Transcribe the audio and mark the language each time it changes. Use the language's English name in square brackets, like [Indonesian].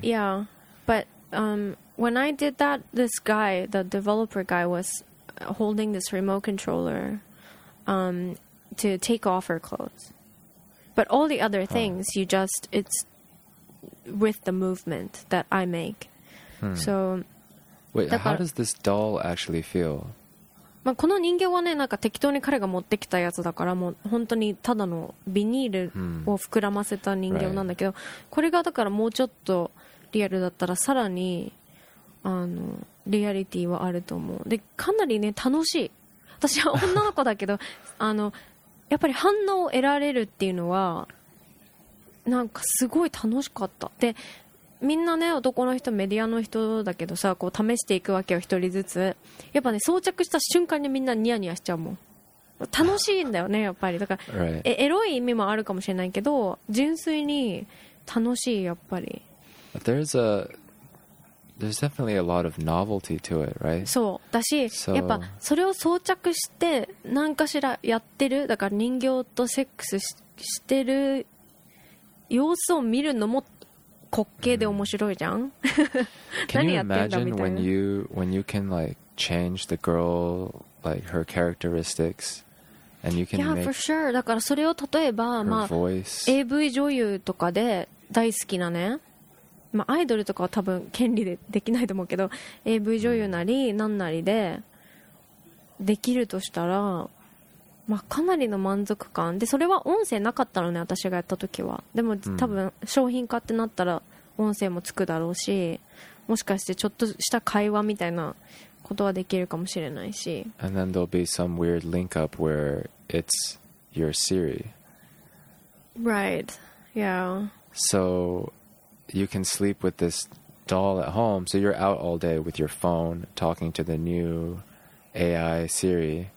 [English] Yeah, but when I did that, this guy, the developer guy, was holding this remote controller to take off her clothes. But all the other things, you just it's with the movement that I make. So, wait, how does this doll actually feel? [Japanese] まあ、この人形はね、なんか適当に彼が持ってきたやつだから、もう本当にただのビニールを膨らませた人形なんだけど、これがだからもうちょっとリアルだったらさらにリアリティはあると思う。でかなりね楽しい、私は女の子だけどやっぱり反応を得られるっていうのはなんかすごい楽しかった。でみんなね、男の人、メディアの人だけどさ、こう試していくわけよ、一人ずつ。やっぱね、装着した瞬間にみんなニヤニヤしちゃうもん。楽しいんだよね、やっぱり。だから、 [English] right. [Japanese] エロい意味もあるかもしれないけど、純粋に楽しい、やっぱり。 [English] There's definitely a lot of novelty to it, right? [Japanese] そう。だし、so... やっぱそれを装着して、何かしらやってる、だから人形とセックス してる様子を見るのも、滑稽で面白いじゃん。 [English] Can you imagine when you can like change the girl like her characteristics and you can make yeah for sure [Japanese] だからそれを例えば、まあ、AV 女優とかで大好きなね、まあ、アイドルとかは多分権利でできないと思うけど、 AV 女優なりなんなりでできるとしたら、まあ、かなりの満足感で、それは音声なかったのね、私がやった時は。でも多分商品化ってなったら音声もつくだろうし、もしかしてちょっとした会話みたいなことはできるかもしれないし。 [English] And then there'll be some weird link up where it's your Siri. Right. Yeah. So you can sleep with this doll at home. So you're out all day with your phone talking to the newAI Siri,